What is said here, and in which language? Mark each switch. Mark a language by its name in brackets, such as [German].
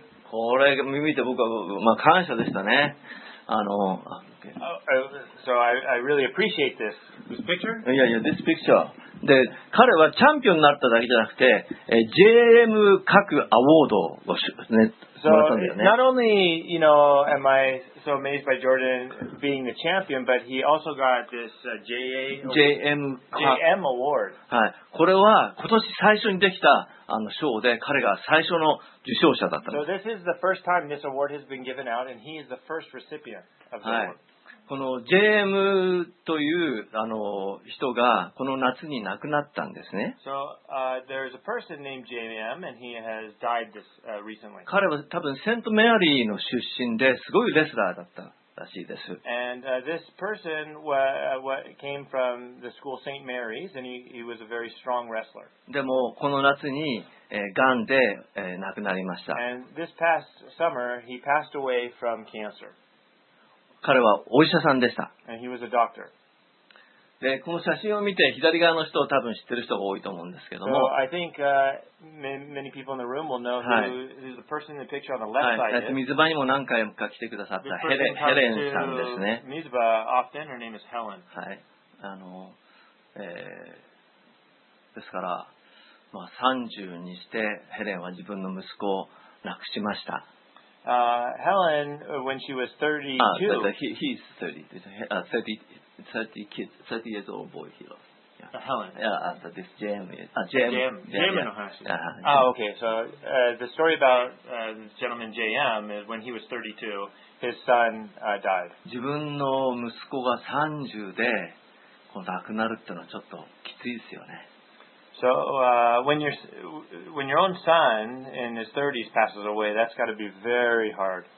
[Japanese] これ見て僕は、まあ、感謝でしたね。 [English] So I really appreciate this. This picture? [Japanese] いやいや、 [English] this picture. [Japanese] で、彼はチャンピオンになっただけじゃなくて、JM 各アワードをね、もらったんだよね。 [English] So not only, you know, am I so amazed by Jordan being the champion, but he also got this JM award. [Japanese] はい。これは今年最初にできた賞で、彼が最初の受賞者だったんです。 [English] So this is the first time this award has been given out, and he is the first recipient of the award. [Japanese] この JM という人がこの夏に亡くなったんですね。 [English] So, there's a person named JM, and he has died this, recently. [Japanese] 彼は多分セントメアリーの出身で、すごいレスラーだったらしいです。 [English] And, this person came from the school St. Mary's, and he was a very strong wrestler. [Japanese] でも、この夏に、癌で、亡くなりました。 [English] And this past summer, he passed away from cancer. [Japanese] 彼はお医者さんでした。 [English] And he was a doctor. [Japanese] で、この写真を見て、左側の人を多分知ってる人が多いと思うんですけども。 [English] So, I think, many people in the room will know who is the person in the picture on the left side. [Japanese] はい。水場にも何回か来てくださったヘレンさんですね。 [English] 水場 often, her name is Helen. [Japanese] はい。ですから、まあ、30にしてヘレンは自分の息子を亡くしました。 [English] Helen, when she was 32. He's 30 years old boy. He lost. Helen. Yeah, this JM. JM. [Japanese] JM の話。 [English] Ah, okay. So, the story about this gentleman JM is when he was 32, his son died. [Japanese] 自分の息子が30で亡くなるってのはちょっときついですよね。 [English] So, when your own son in his 30s passes away, that's got to be very hard.